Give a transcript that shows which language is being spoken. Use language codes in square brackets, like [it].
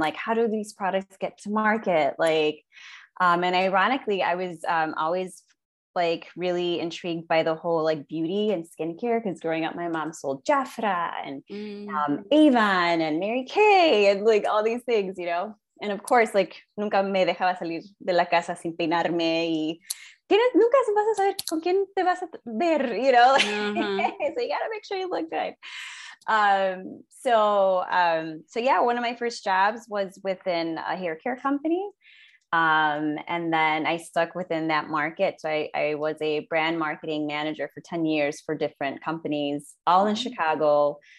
[en] Like, how do these products get to market? Like, and ironically, I was always like really intrigued by the whole like beauty and skincare, because growing up my mom sold Jafra and Avon and Mary Kay and like all these things, you know. And of course, like [es] nunca me dejaba salir de la casa sin peinarme y nunca vas a saber con quién te vas a ver, [en] you know. Mm-hmm. So you gotta make sure you look good. So one of my first jobs was within a hair care company. And then I stuck within that market. So I was a brand marketing manager for 10 years for different companies, all in Chicago.